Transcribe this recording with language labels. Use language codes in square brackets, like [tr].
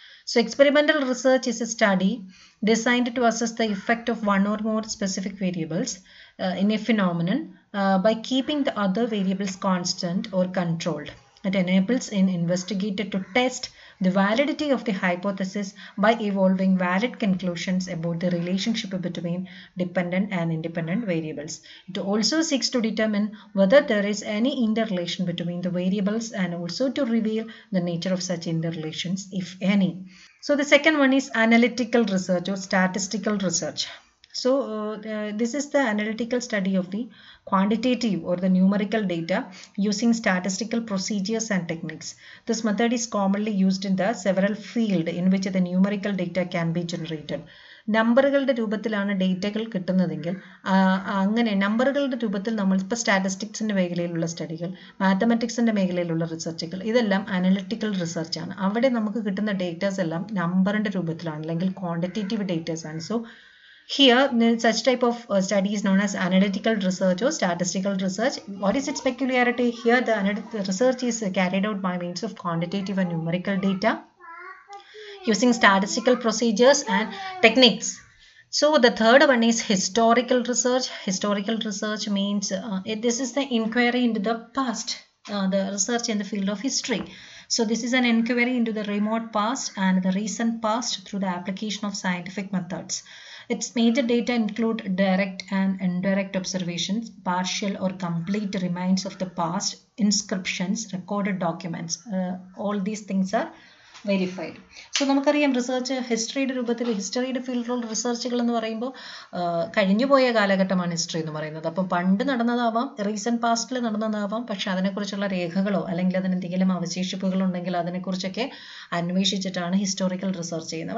[en] So experimental research is a study designed to assess the effect of one or more specific variables in a phenomenon by keeping the other variables constant or controlled. It enables in investigated to test the validity of the hypothesis by evolving valid conclusions about the relationship between dependent and independent variables. It also seeks to determine whether there is any interrelation between the variables and also to reveal the nature of such interrelations, if any. So the second one is analytical research or statistical research. So this is the analytical study of the quantitative or the numerical data using statistical procedures and techniques. This method is commonly used in the several field in which the numerical data can be generated. [ml] നമ്പറുകളുടെ രൂപത്തിലാണ് ഡേറ്റകൾ കിട്ടുന്നതെങ്കിൽ അങ്ങനെ നമ്പറുകളുടെ രൂപത്തിൽ നമ്മളിപ്പോൾ സ്റ്റാറ്റിസ്റ്റിക്സിൻ്റെ മേഖലയിലുള്ള സ്റ്റഡികൾ, മാത്തമെറ്റിക്സിൻ്റെ മേഖലയിലുള്ള റിസർച്ചുകൾ, ഇതെല്ലാം analytical റിസർച്ചാണ്. അവിടെ നമുക്ക് കിട്ടുന്ന ഡേറ്റാസ് എല്ലാം നമ്പറിൻ്റെ രൂപത്തിലാണ്, അല്ലെങ്കിൽ ക്വാണ്ടിറ്റേറ്റീവ് ഡേറ്റാസ് ആണ്. [en] So Here, such type of study is known as analytical research or statistical research. What is its peculiarity? Here, the research is carried out by means of quantitative and numerical data using statistical procedures and techniques. So, the third one is historical research. Historical research means this is the inquiry into the past, the research in the field of history. So, this is an inquiry into the remote past and the recent past through the application of scientific methods. Its major data include direct and indirect observations, partial or complete remains of the past, inscriptions, recorded documents. All these things are verified. [ml] So, നമുക്കറിയാം research ഹിസ്റ്ററിയുടെ രൂപത്തിൽ ഹിസ്റ്ററിയുടെ ഫീൽഡിലുള്ള റിസർച്ചുകൾ എന്ന് പറയുമ്പോൾ കഴിഞ്ഞുപോയ കാലഘട്ടമാണ് history എന്ന് പറയുന്നത്. അപ്പം പണ്ട് നടന്നതാവാം, റീസെൻ്റ് പാസ്റ്റിൽ നടന്നതാവാം, പക്ഷെ അതിനെക്കുറിച്ചുള്ള രേഖകളോ അല്ലെങ്കിൽ അതിനെന്തെങ്കിലും അവശേഷിപ്പുകൾ ഉണ്ടെങ്കിൽ അതിനെക്കുറിച്ചൊക്കെ അന്വേഷിച്ചിട്ടാണ് ഹിസ്റ്റോറിക്കൽ റിസർച്ച് ചെയ്യുന്നത്.